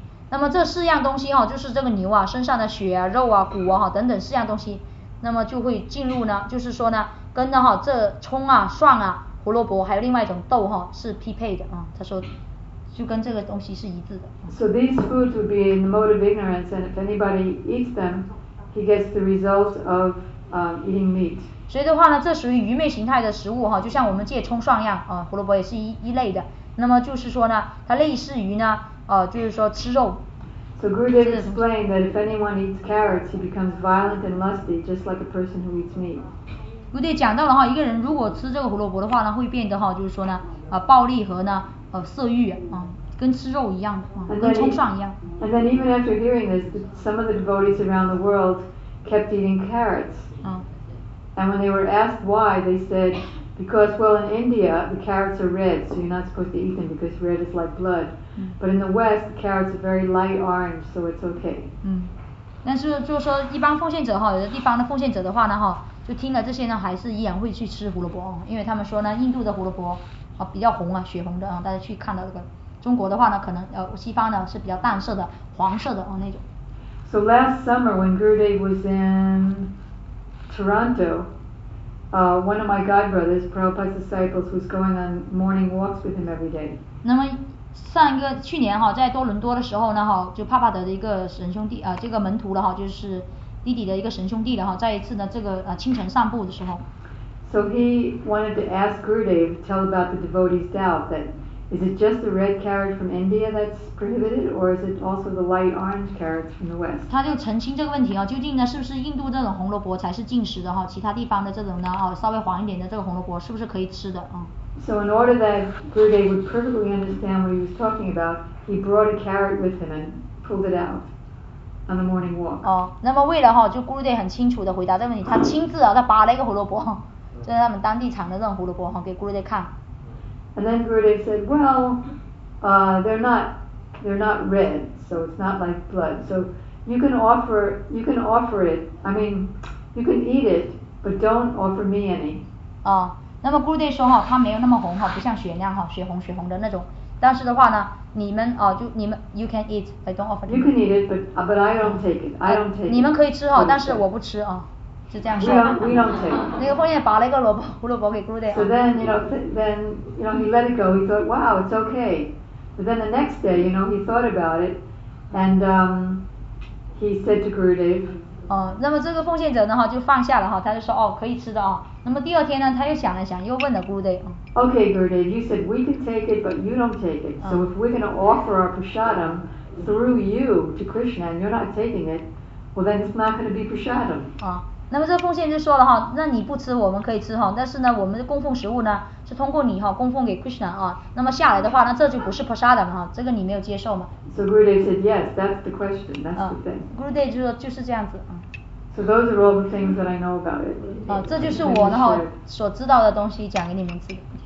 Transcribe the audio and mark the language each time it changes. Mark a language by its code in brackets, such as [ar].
[zh] 那么这四样东西哈，就是这个牛啊身上的血啊、肉啊、骨啊哈等等四样东西，那么就会进入呢，就是说呢，跟呢哈这葱啊、蒜啊、胡萝卜还有另外一种豆哈是匹配的啊。他说，就跟这个东西是一致的。 [en] So these foods would be in the mode of ignorance, and if anybody eats them, he gets the results of eating meat. [zh] 所以的话呢，这属于愚昧形态的食物哈，就像我们借葱蒜一样啊，胡萝卜也是一类的。那么就是说呢，它类似于呢。就是说吃肉。 [en] So Gurudev explained that if anyone eats carrots, he becomes violent and lusty, just like a person who eats meat. [zh] Gurudev 讲到了哈，一个人如果吃这个胡萝卜的话呢，会变得哈，就是说呢，暴力和呢，色欲啊，跟吃肉一样的，跟冲上一样。 [en] And then even after hearing this, some of the devotees around the world kept eating carrots. And when they were asked why, they said, because well, in India, the carrots are red, so you're not supposed to eat them because red is like blood. But in the West, carrots are very light orange, so it's okay. [zh] 嗯，但是就是说，一般奉献者哈，有的地方的奉献者的话呢哈，就听了这些呢，还是依然会去吃胡萝卜，因为他们说呢，印度的胡萝卜啊比较红啊，血红的啊，大家去看到这个。中国的话呢，可能西方呢是比较淡色的，黄色的啊那种。 [en] So last summer when Gurudev was in Toronto, one of my god brothers, Prabhupada's disciples, was going on morning walks with him every day. [zh] 那么上一个去年哈，在多伦多的时候呢哈，就帕帕德的一个神兄弟这个门徒了哈，就是弟弟的一个神兄弟了哈，在一次呢这个清晨散步的时候。 [en] So he wanted to ask Gurudev tell about the devotee's doubt that is it just the red carrot from India that's prohibited or is it also the light orange carrots from the West? [zh] 他就澄清这个问题啊，究竟呢是不是印度这种红萝卜才是禁食的哈，其他地方的这种呢稍微黄一点的这个红萝卜是不是可以吃的啊？ [en] So in order that Gurudev would perfectly understand what he was talking about, he brought a carrot with him and pulled it out on the morning walk. [zh] 哦，那么为了哈，就 Gurudev 很清楚地回答这个问题，他亲自啊，他拔了一个胡萝卜，就是他们当地产的这种胡萝卜哈，给 Gurudev 看。 [en] And then Gurudev said, "Well, they're not red, so it's not like blood. So you can offer it. I mean, you can eat it, but don't offer me any." [zh] 哦。那么 Gurudev 说哈，它没有那么红哈，不像血那样哈，血红的那种。但是的话呢，你们 [en] you can eat, I don't offer. You can eat it, but I don't take it. I don't take. [zh] 你们可以吃哈，但是我不吃啊，是这样说。 [en] We don't take. [zh] 那个凤燕拔了一个胡萝卜给 Gurudev。 [en] So then you know he let it go. He thought, wow, it's okay. But then the next day, you know, he thought about it, and he said to Gurudev. [zh] 哦，那么这个奉献者呢哈就放下了哈，他就说哦可以吃的哦。那么第二天呢，他又想了想，又问了 Gurudev。 [en] Okay, Gurudev, you said we could take it, but you don't take it. So if we're going to offer our prasadam, through you to Krishna and you're not taking it, well then it's not going to be prasadam. [zh] 那么这奉献就说了哈，那你不吃我们可以吃哈，但是呢我们供奉食物呢是通过你哈供奉给 Krishna 啊，那么下来的话那这就不是 prasadam 哈，这个你没有接受吗？ [en] So Gurudev said yes, that's the question, that's the thing. [zh] Gurudev 就说就是这样子啊。 [en] So those are all the things that I know about it. [zh] 啊，这就是我的哈所知道的东西，讲给你们听。